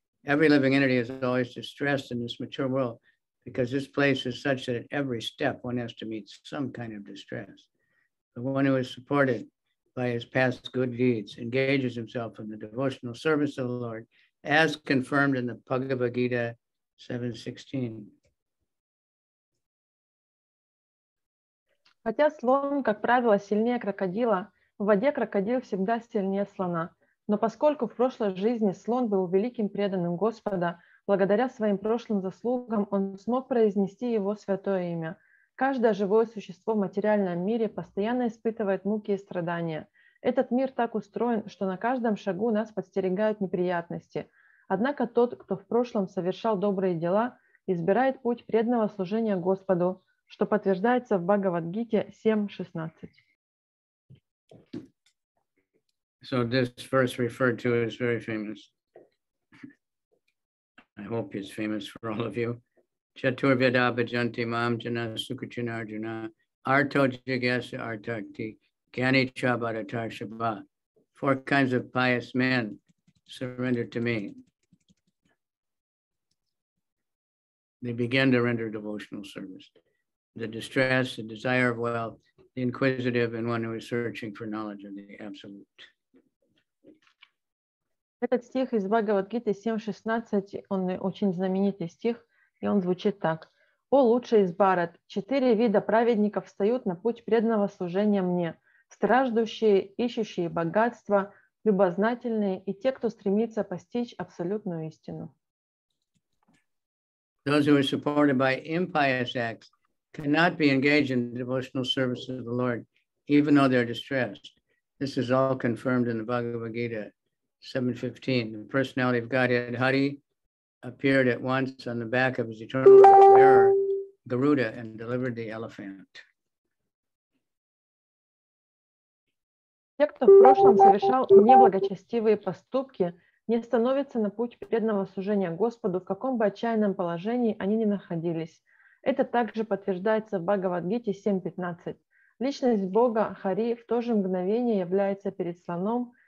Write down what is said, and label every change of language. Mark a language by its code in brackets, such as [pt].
[en] Every living entity is always distressed in this mature world because this place is such that at every step one has to meet some kind of distress. The one who is supported by his past good deeds engages himself in the devotional service of the Lord as confirmed in the Bhagavad Gita 7.16. [ru] Хотя слон, как правило, сильнее крокодила, в воде крокодил всегда сильнее слона. Но поскольку в прошлой жизни слон был великим преданным Господа, благодаря своим прошлым заслугам он смог произнести его святое имя. Каждое живое существо в материальном мире постоянно испытывает муки и страдания. Этот мир так устроен, что на каждом шагу нас подстерегают неприятности. Однако тот, кто в прошлом совершал добрые дела, избирает путь преданного служения Господу, что подтверждается в Бхагавад-гите 7.16. [en] So this verse referred to is very famous. I hope it's famous for all of you. [sa] Chaturveda bhajanti mam jana sukachina arjuna arto jagyasa artakti gyani cha bharatar shabha. [en] Four kinds of pious men surrender to me. They begin to render devotional service. The distress, the desire of wealth, the inquisitive, and one who is searching for knowledge of the absolute. [ru] Этот стих из Бхагавад-гиты 7.16, он очень знаменитый стих, и он звучит так. О, лучший из Бхарат, четыре вида праведников встают на путь преданного служения мне. Страждущие, ищущие богатство, любознательные и те, кто стремится постичь абсолютную истину. [en] Those who are supported by impious acts cannot be engaged in devotional service of the Lord, even though they're distressed. This is all confirmed in the Bhagavad Gita 7.15. The personality of Godhead Hari appeared at once on the back of his eternal bearer, Garuda, and delivered the elephant. [ru] Те, кто в прошлом совершал неблагочестивые поступки, не становятся на путь преданного служения Господу, в каком бы отчаянном положении они ни находились. Это также подтверждается в Бхагавад-гите 7.15. Личность Бога Хари в то же мгновение является перед слоном,